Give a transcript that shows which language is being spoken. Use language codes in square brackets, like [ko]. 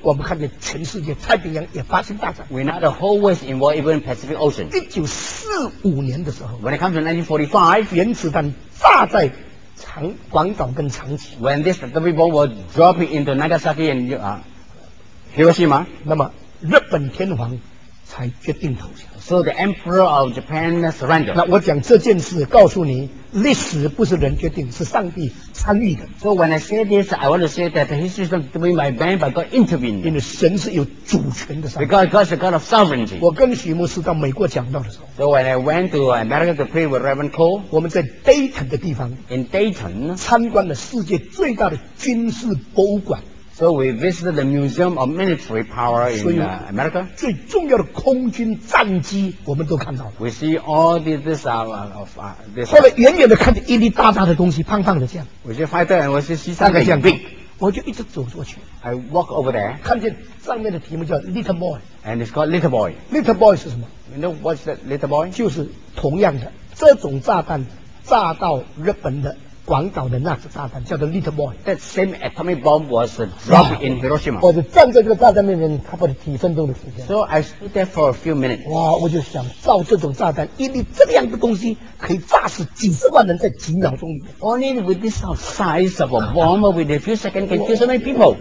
[zh] 我们看见全世界太平洋也发生大战。 [en] We now the whole world involved even Pacific Ocean. [zh] 1945年的时候 [en] ，When it comes to 1945, [zh] 原子弹炸在广岛跟长崎。 [en] When this atomic bomb was dropping into Nagasaki and Hiroshima, [zh] 那么日本天皇。才决定投降。 [en] So the emperor of Japan surrendered. [zh] 那我讲这件事，告诉你，历史不是人决定，是上帝参与的。 [en] So when I say this, I want to say that the history is not made by man, but God intervened. [zh] 因为神是有主权的上帝。 [en] Because God is a God of sovereignty. [zh] 我跟许牧师到美国讲道的时候。 [en] So when I went to America to pray with Reverend Cole. [zh] 我们在 Dayton 的地方。 [en] In Dayton. [zh] 参观了世界最大的军事博物馆。 [en] So we visited the Museum of Military Power in America. [zh] 最重要的空军战机我们都看到了。 [en] We see all these this. [zh] 后来远远的看见一粒大大的东西，胖胖的这样。 [en] We see fighter and we see something big. [zh] 我就一直走过去。 [en] I walk over there. [zh] 看见上面的题目叫 Little Boy. [en] And it's called Little Boy. [zh] Little Boy 是什么？ [en] You know what's that Little Boy? [zh] 就是同样的这种炸弹炸到日本的。广岛的那次炸弹叫做 Little Boy. [en] That same atomic bomb was dropped in Hiroshima. [zh] 我就站在这个炸弹面前，差不多几分钟的时间。 [en] So I stood there for a few minutes. [zh] 哇，我就想造这种炸弹，一粒这样的东西可以炸死几十万人在几秒钟里面。 [en] Only with this size of a bomb, with a few seconds, can kill so many people.